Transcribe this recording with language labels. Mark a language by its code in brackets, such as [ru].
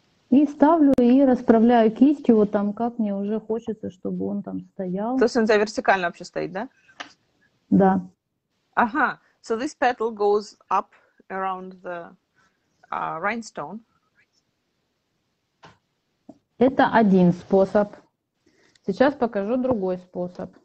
[ru] И ставлю и расправляю кистью вот там, как мне уже хочется, чтобы он там стоял. То есть он вертикально вообще стоит, да? Да. Ага. [en] So this petal goes up around the rhinestone. [ru] Это один способ. Сейчас покажу другой способ.